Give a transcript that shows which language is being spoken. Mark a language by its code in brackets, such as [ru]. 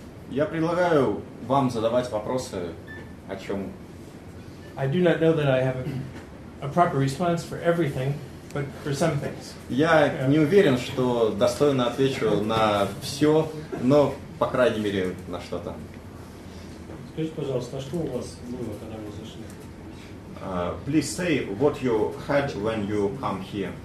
[ru] Я предлагаю вам задавать вопросы о чем. [en] I do not know that I have a proper response for everything, but for some things. [ru] Я не уверен, что достойно отвечу на все, но по крайней мере на что-то. Скажите, пожалуйста, что у вас было, когда вы зашли? [en] Please say what you had when you come here.